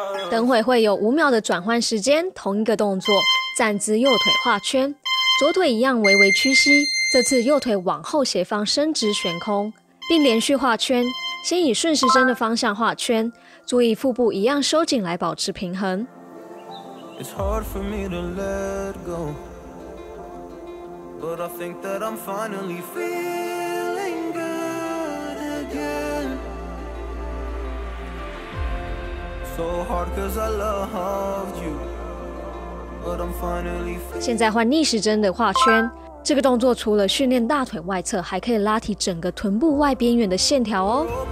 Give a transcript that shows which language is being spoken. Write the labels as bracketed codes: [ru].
[zh] 等会会有5秒的转换时间，同一个动作，站姿右腿画圈，左腿一样微微屈膝，这次右腿往后斜方伸直悬空，并连续画圈，先以顺时针的方向画圈，注意腹部一样收紧来保持平衡。 [en] It's hard for me to let go, but I think that I'm finally feeling good again. So hard 'cause I loved you, but I'm finally. [zh] 现在换逆时针的画圈。这个动作除了训练大腿外侧，还可以拉提整个臀部外边缘的线条哦。